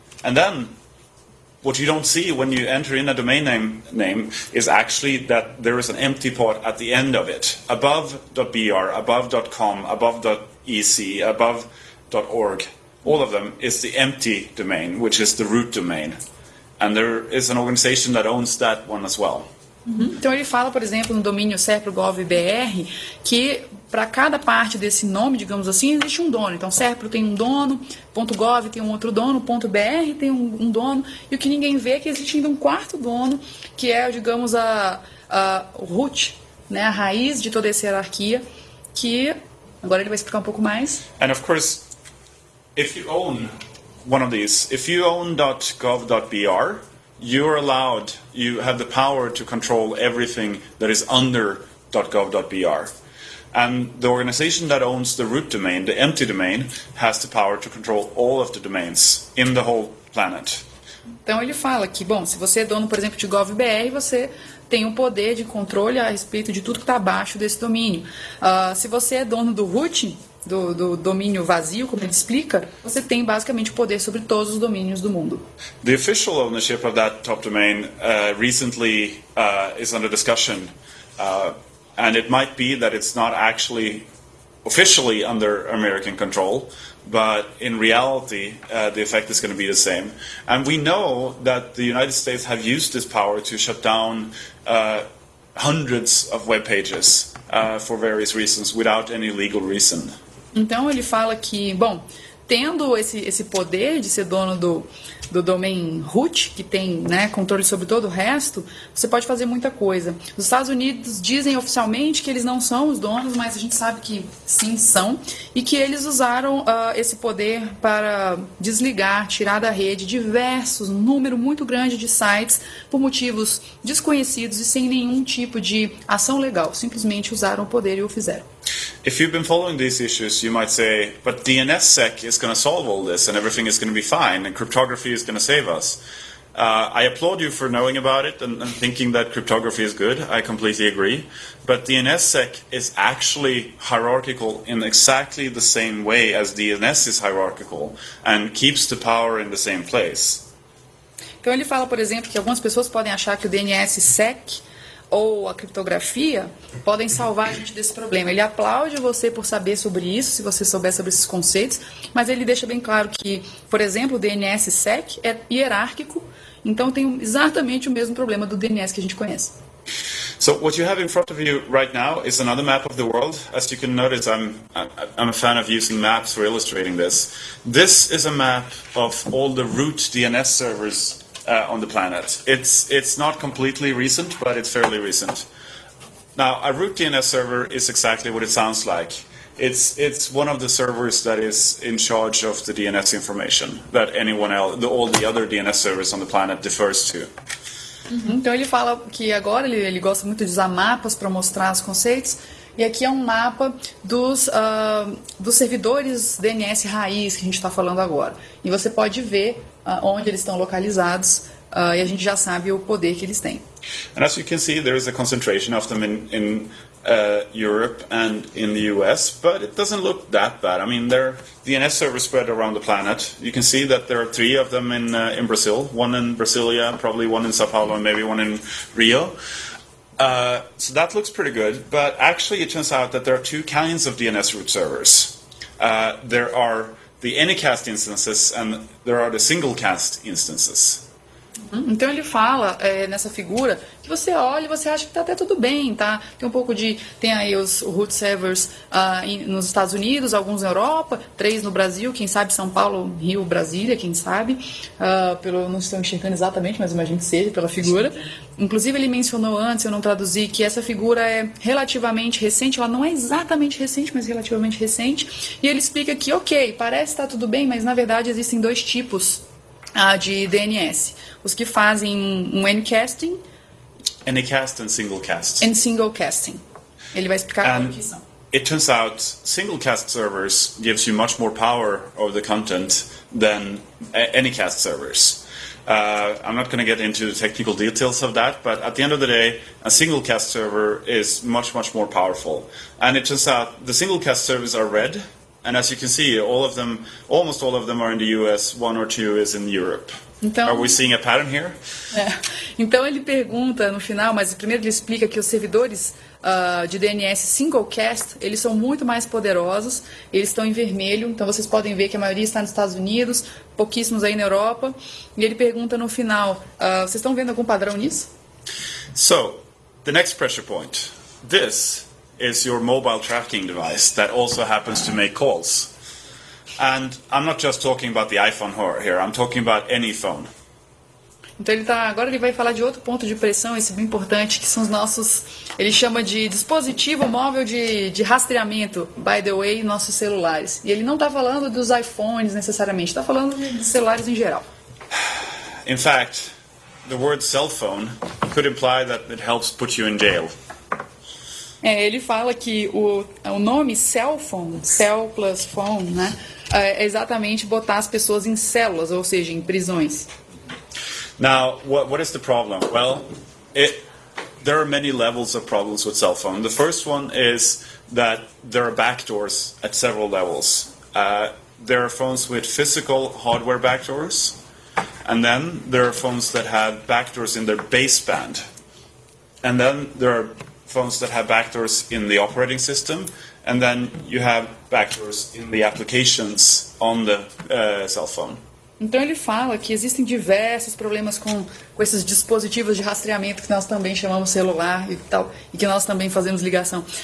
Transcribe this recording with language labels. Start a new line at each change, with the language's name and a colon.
English: And then what you don't see when you enter in a domain name is actually that there is an empty part at the end of it, above .br, above .com, above .ec, above .org. All of them is the empty domain, which is the root domain. And there is an organization that owns that one as well. Uhum.
Portuguese: Então ele fala, por exemplo, no domínio serpro.gov.br, que para cada parte desse nome, digamos assim, existe um dono. Então serpro tem um dono, .gov tem um outro dono, .br tem um dono, e o que ninguém vê é que existe ainda um quarto dono, que é, digamos, a root, né, a raiz de toda essa hierarquia, que agora ele vai explicar um pouco mais.
English: And of course, if you own one of these, if you own .gov.br, you're allowed, you have the power to control everything that is under .gov.br. And the organization that owns the root domain, the empty domain, has the power to control all of the domains in the whole planet.
Portuguese: Então ele fala que, bom, se você é dono, por exemplo, de gov.br, você tem o poder de controle a respeito de tudo que está abaixo desse domínio. Se você é dono do root, do domínio vazio, como ele explica, você tem basicamente o poder sobre todos os domínios do mundo.
English: The official ownership of that top domain recently is under discussion. And it might be that it's not actually officially under American control, but in reality, the effect is going to be the same. And we know that the United States have used this power to shut down hundreds of web pages for various reasons, without any legal reason.
Portuguese: Então ele fala que, bom, tendo esse poder de ser dono do domain root, que tem, né, controle sobre todo o resto, você pode fazer muita coisa. Os Estados Unidos dizem oficialmente que eles não são os donos, mas a gente sabe que sim são, e que eles usaram esse poder para desligar, tirar da rede diversos, um número muito grande de sites, por motivos desconhecidos e sem nenhum tipo de ação legal. Simplesmente usaram o poder e o fizeram.
English: If you've been following these issues, you might say, but DNSSEC is going to solve all this and everything is going to be fine and cryptography is going to save us. I applaud you for knowing about it and thinking that cryptography is good. I completely agree. But DNSSEC is actually hierarchical in exactly the same way as DNS is hierarchical and keeps the power in the same place.
Portuguese: Então ele fala, por exemplo, que algumas pessoas podem achar que o DNSSEC ou a criptografia podem salvar a gente desse problema. Ele aplaude você por saber sobre isso, se você souber sobre esses conceitos, mas ele deixa bem claro que, por exemplo, o DNSSEC é hierárquico, então tem exatamente o mesmo problema do DNS que a gente conhece.
English: So what you have in front of you right now is another map of the world. As you can notice, I'm a fan of using maps for illustrating this. This is a map of all the root DNS servers on the planet. It's not completely recent, but it's fairly recent. Now, a root DNS server is exactly what it sounds like. It's one of the servers that is in charge of the DNS information that anyone else, all the other DNS servers on the planet defers to. Uhum.
Portuguese: Então ele fala que agora ele gosta muito de usar mapas para mostrar os conceitos. E aqui é um mapa dos servidores DNS raiz que a gente está falando agora. E você pode ver onde eles estão localizados, e a gente já sabe o poder que eles têm.
English: And as you can see, there is a concentration of them in Europe and in the US, but it doesn't look that bad. I mean, they're DNS servers spread around the planet. You can see that there are three of them in Brazil, one in Brasilia, probably one in Sao Paulo, and maybe one in Rio. So that looks pretty good, but actually it turns out that there are two kinds of DNS root servers. There are the Anycast instances, and there are the Singlecast instances.
Portuguese: Então ele fala nessa figura que você olha e você acha que está até tudo bem, tá? Tem um pouco de. Tem aí os root servers nos Estados Unidos, alguns na Europa, três no Brasil, quem sabe São Paulo, Rio, Brasília, quem sabe. Não estou enxergando exatamente, mas imagino que seja pela figura. Inclusive ele mencionou antes, eu não traduzi, que essa figura é relativamente recente, ela não é exatamente recente, mas relativamente recente. E ele explica que, ok, parece estar tudo bem, mas na verdade existem dois tipos de DNS. Os que fazem um Anycasting.
English: Anycast and Singlecast. And Singlecasting.
Portuguese: Ele vai explicar como que são.
English: It turns out Singlecast servers gives you much more power over the content than Anycast servers. I'm not going to get into the technical details of that, but at the end of the day, a Singlecast server is much, much more powerful. And it turns out the Singlecast servers are red. And as you can see, all of them, almost all of them are in the US, one or two is in Europe.
Portuguese: Então,
English: are we seeing a pattern here?
Portuguese: Então ele pergunta no final, mas primeiro ele explica que os servidores de DNS Singlecast, eles são muito mais poderosos, eles estão em vermelho, então vocês podem ver que a maioria está nos Estados Unidos, pouquíssimos aí na Europa. E ele pergunta no final, vocês estão vendo algum padrão nisso?
English: So, the next pressure point. This is your mobile tracking device that also happens to make calls. And I'm not just talking about the iPhone here, I'm talking about any phone.
Portuguese: Então ele tá, agora ele vai falar de outro ponto de pressão, esse bem importante, que são os nossos, ele chama de dispositivo móvel de rastreamento,
English: by the way,
Portuguese: nossos celulares. E ele não está falando dos iPhones necessariamente, está falando de celulares em geral.
English: In fact, the word cell phone could imply that it helps put you in jail.
Portuguese: É, ele fala que o nome cell phone, cell plus phone, né, é exatamente botar as pessoas em células, ou seja, em prisões.
English: Now, what is the problem? Well, there are many levels of problems with cell phone. The first one is that there are backdoors at several levels. There are phones with physical hardware backdoors, and then there are phones that have backdoors in their baseband. And then there are phones that have backdoors in the operating system, and then you have backdoors in the applications on the cell phone.
Portuguese: Então ele fala que existem diversos problemas com esses dispositivos de rastreamento que nós também chamamos celular e tal, e que nós também fazemos ligação.